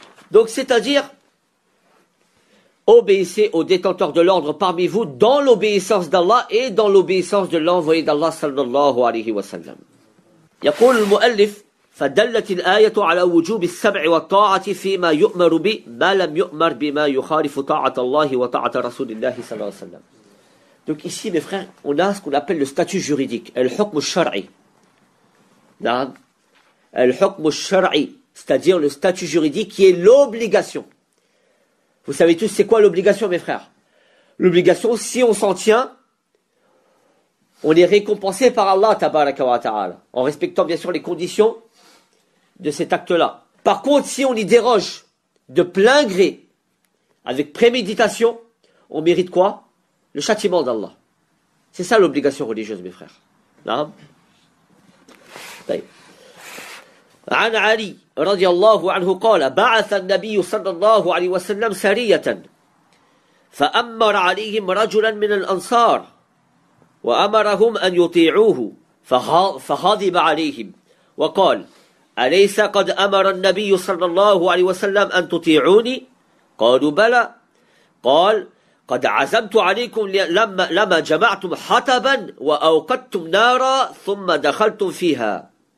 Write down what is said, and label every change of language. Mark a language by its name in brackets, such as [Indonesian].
[French] Donc c'est-à-dire obéissez aux détenteurs de l'ordre parmi vous dans l'obéissance d'Allah et dans l'obéissance de l'envoyé d'Allah sallallahu alayhi wa sallam. [Arabic] Yaqul al-mu'allif فدلت الآية على وجوب السمع والطاعة فيما يؤمر به ما لم يؤمر بما يخالف طاعة الله وطاعة رسول الله صلى الله عليه وسلم. [French] Donc ici, mes frères, on a ce qu'on appelle le statut juridique. Al-hukm al-shar'i. Al-hukm al-shar'i. C'est-à-dire le statut juridique qui est l'obligation. Vous savez tous, c'est quoi l'obligation, mes frères? L'obligation, si on s'en tient, on est récompensé par Allah, tabaraka wa ta'ala, en respectant bien sûr les conditions de cet acte-là. Par contre, si on y déroge de plein gré, avec préméditation, on mérite quoi? Le châtiment d'Allah. C'est ça l'obligation religieuse, mes frères. [Arabic] Naam. عن علي رضي الله عنه قال بعث النبي صلى الله عليه وسلم سرية فأمر عليهم رجلا من الأنصار وأمرهم أن يطيعوه فغضب عليهم وقال أليس قد أمر النبي صلى الله عليه وسلم أن تطيعوني قالوا بلى قال قد عزمت عليكم لما جمعتم حطبا وأوقدتم نارا ثم دخلتم فيها